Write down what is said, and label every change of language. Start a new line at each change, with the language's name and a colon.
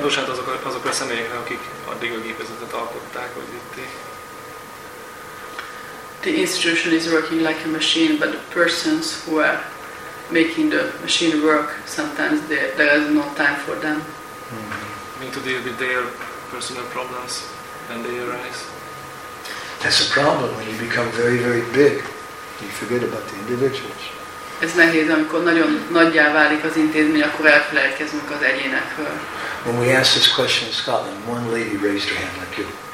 Hungarian: Bocsánat, azok a személyekre, akik addig a gépezetet alkották, hogy vitték.
English: The institution is working like a machine, but the persons who are making the machine work, sometimes there is no time for them. We need to deal with their personal problems when they arise. That's a problem when you become very, very big. You forget about the individuals.
Hungarian: Ez nehéz, amikor nagyon nagyjá válik az intézmény, akkor elfelejtkezünk az egyénekről.
English: When we asked this question in Scotland, one lady raised her hand like you.